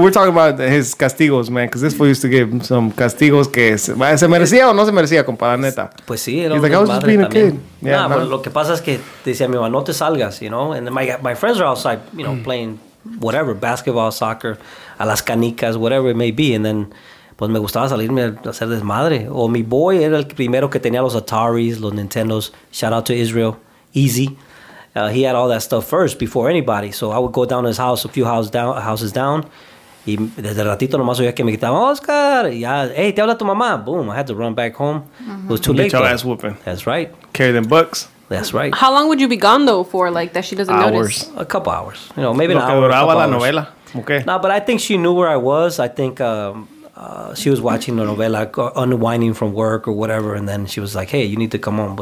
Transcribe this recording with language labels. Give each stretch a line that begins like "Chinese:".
English: We're talking about his castigos, man, because this fool used to give him some castigos
Spanish: que se merecía o no se merecía, compadre, neta. Pues sí.
English: He's like, I was just being a kid. Yeah, nah, but
Spanish: lo que pasa es que decía mi mamá, no te salgas, you know?
English: And my friends are outside, you know, playing whatever, basketball, soccer,
Spanish: a las canicas,
English: whatever it may be. And then,
Spanish: pues me gustaba salirme a hacer desmadre. O mi boy era el primero que tenía los Ataris, los Nintendos.
English: Shout out to Israel. Easy. He had all that stuff first before anybody. So I would go down to his house, a few houses down.
Spanish: Y desde ratito nomás oía que me gritaban, Oscar, ya, hey, te habla tu mamá.
English: Boom, I had to run back home. Mm-hmm. It was too late. Get your ass whooping. That's right. Carry them books. That's right. How long would you be gone, though, for, like, that she doesn't hours. Notice? A couple hours. You know, maybe an hour.
Spanish: Duraba la
English: hours. Novela. Okay. No, but I think she knew where I was. I think she was watching the novela, unwinding from work or whatever, and then she was like, hey, you need to come home.